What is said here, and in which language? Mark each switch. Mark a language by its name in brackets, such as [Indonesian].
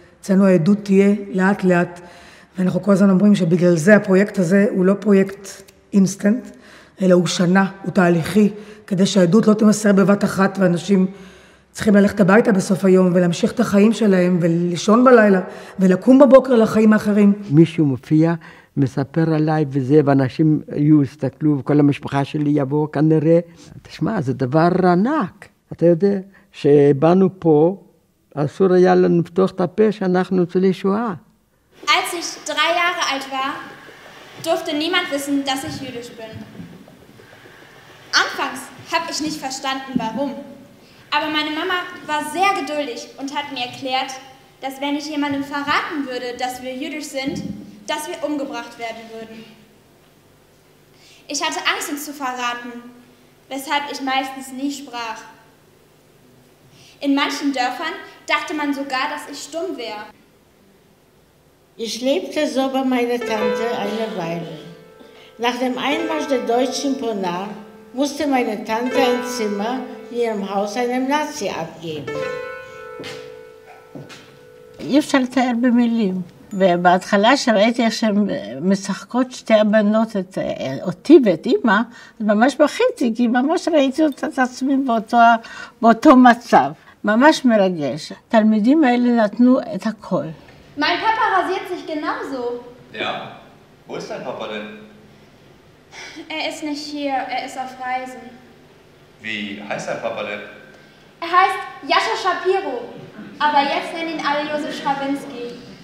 [Hebrew] אצלנו העדות תהיה לאט לאט. ואנחנו כל הזמן אומרים שבגלל זה הפרויקט הזה הוא לא פרויקט אינסטנט, אלא הוא שנה, הוא תהליכי, כדי שהעדות לא תמסר בבת אחת, ואנשים צריכים ללכת הביתה בסוף היום, ולהמשיך את החיים שלהם, ולישון בלילה, ולקום בבוקר לחיים האחרים. מישהו מופיע, מספר עליי וזה, ואנשים יהיו, הסתכלו, וכל המשפחה שלי יבוא כנראה. תשמע, זה דבר ענק. אתה יודע, שבאנו פה, אסור היה לנו פתוח את הפה שאנחנו ניצולי שואה. [German] Als ich 3 Jahre alt war, durfte niemand wissen, dass ich jüdisch bin. Anfangs habe ich nicht verstanden, warum. Aber meine Mama war sehr geduldig und hat mir erklärt, dass wenn ich jemandem verraten würde, dass wir jüdisch sind, dass wir umgebracht werden würden. Ich hatte Angst, uns zu verraten, weshalb ich meistens nie sprach. In manchen Dörfern dachte man sogar, dass ich stumm wäre. Ich lebte so bei meiner Tante eine Weile. Nach dem Einmarsch der Deutschen Ponar musste meine Tante ein Zimmer in ihrem Haus einem Nazi abgeben. Ich fällt er bemühen. [Hebrew] ובהתחלה שראיתי איך שהן משחקות שתי הבנות את, אותי ואת אימא, אז ממש בכיתי, כי ממש ראיתי את עצמי באותו מצב. ממש מרגש. התלמידים האלה נתנו את הכל. [German] Mein Papa rasiert sich genauso. Ja, wo ist dein Papa denn? Er ist nicht hier, er ist auf Reisen. Wie heißt dein Papa denn? Er heißt Jascha Shapiro, aber jetzt nennen ihn alle Josef Stravinsky.